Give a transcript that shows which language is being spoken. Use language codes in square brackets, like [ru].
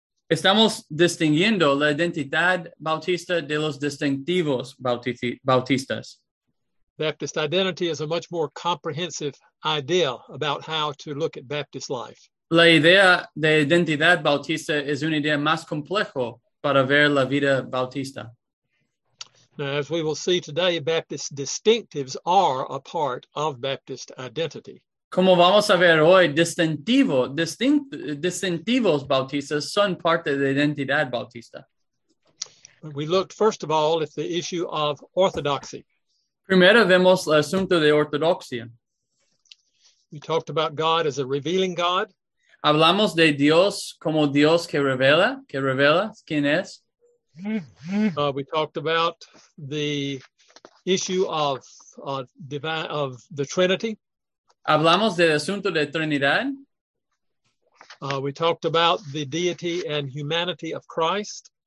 [es] Estamos distinguiendo la identidad bautista de los distintivos bautistas. [en] Baptist identity is a much more comprehensive idea about how to look at Baptist life. [es] La idea de identidad bautista es una idea más complejo para ver la vida bautista. [en] Now, as we will see today, Baptist distinctives are a part of Baptist identity. [es] Como vamos a ver hoy, distintivos bautistas son parte de identidad bautista. [en] We looked, first of all, at the issue of orthodoxy. [es] Primero vemos el asunto de ortodoxia. [en] We talked about God as a revealing God. [es] Hablamos de Dios como Dios que revela quién es. [en] We talked about the issue of divine of the Trinity. [es] Hablamos del asunto de Trinidad. [en] We talked about the deity and humanity of Christ.